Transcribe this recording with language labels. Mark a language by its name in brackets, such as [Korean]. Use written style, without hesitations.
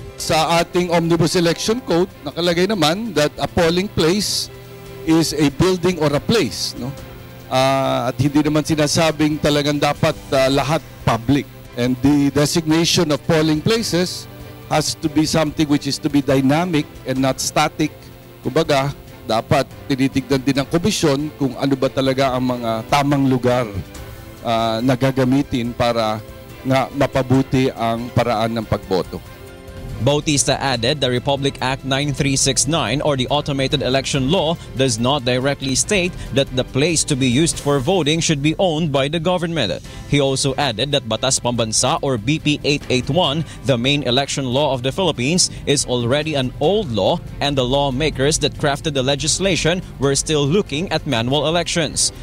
[Filipino] Sa ating [English] omnibus election code, [Filipino] nakalagay naman [English] that a polling place is a building or a place, no? [Filipino] At hindi naman sinasabing talagang dapat lahat public. [English] And the designation of polling places has to be something which is to be dynamic and not static. [Filipino] Kumbaga, dapat tinitignan din ng komisyon kung ano ba talaga ang mga tamang lugar na gagamitin para nga mapabuti ang paraan ng pagboto. [English] Bautista added the Republic Act 9369 or the Automated Election Law does not directly state that the place to be used for voting should be owned by the government. He also added that Batas Pambansa or BP 881, the main election law of the Philippines, is already an old law and the lawmakers that crafted the legislation were still looking at manual elections.